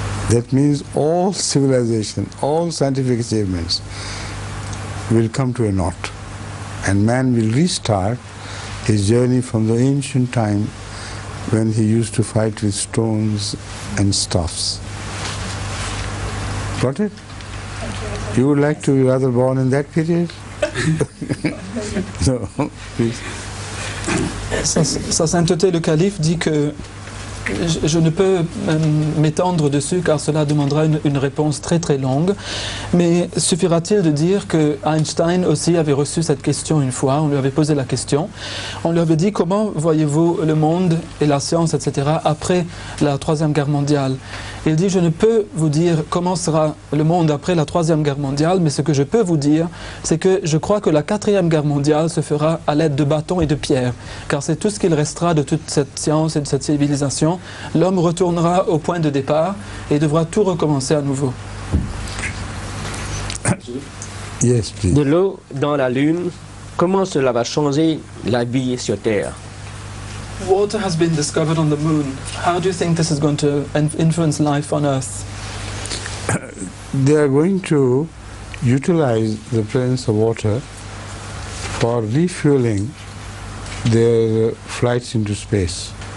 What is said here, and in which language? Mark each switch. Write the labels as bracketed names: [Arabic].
[English] That means all civilization, all scientific achievements will come to a knot, and man will restart his journey from the ancient time when he used to fight with stones and staffs. Got it? You would like to be rather born in that period? No, please. [French] Sa sainteté le calife dit que je ne peux m'étendre dessus car cela demandera une réponse très très longue. Mais suffira-t-il de dire que Einstein aussi avait reçu cette question une fois, on lui avait posé la question. On lui avait dit comment voyez-vous le monde et la science, etc. après la Troisième Guerre mondiale. Il dit je ne peux vous dire comment sera le monde après la Troisième Guerre mondiale, mais ce que je peux vous dire, c'est que je crois que la Quatrième Guerre mondiale se fera à l'aide de bâtons et de pierres. Car c'est tout ce qu'il restera de toute cette science et de cette civilisation. L'homme retournera au point de départ et devra tout recommencer à nouveau. [English] Yes, please. [French] De l'eau dans la lune, comment cela va changer la vie sur Terre? [English] Water has been discovered on the moon. How do you think this is going to influence life on Earth? They are going to utilize the presence of water for refueling their flights into space.